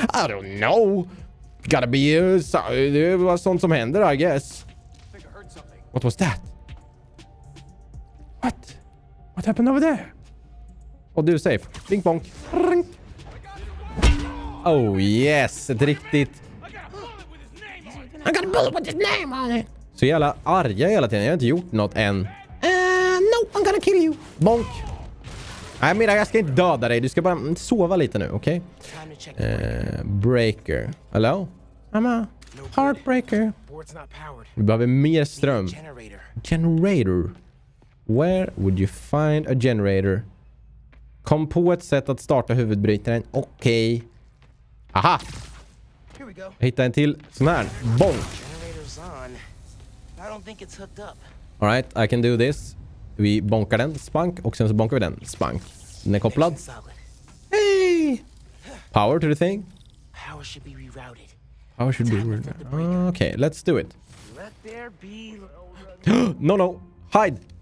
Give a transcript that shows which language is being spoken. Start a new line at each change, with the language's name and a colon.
English: I don't know. Gotta be
Swedish: sånt som händer,
English: I guess. What was that? What? What happened over there?
Swedish: Oh, du är safe. Bing bonk. Ring. Oh, yes. Ett riktigt...
English: I got a bullet with his name on it.
Swedish: Så jävla arga hela tiden. Jag har inte gjort något än.
English: No, I'm gonna kill you. Bonk.
Swedish: Nej, Mira, jag ska inte döda dig. Du ska bara sova lite nu, okej?
English: Okay? Breaker. Hello? I'm a heartbreaker.
Swedish: Vi behöver mer ström.
English: Generator. Where would you find a generator?
Swedish: Kom på ett sätt att starta huvudbrytaren.
English: Okej. Okay. Aha! Here we go.
Swedish: Jag hittar en till sån här.
English: Bonk! Generator's on. I don't think it's hooked up. All right, I can do this.
Swedish: Vi bonkar den. Spank. Och sen så bonkar vi den. Spank. Den är kopplad.
English: Hey! Power to the thing. Power should be rerouted. How should we work? Okay, let's do it. Let there be. No, no. Hide.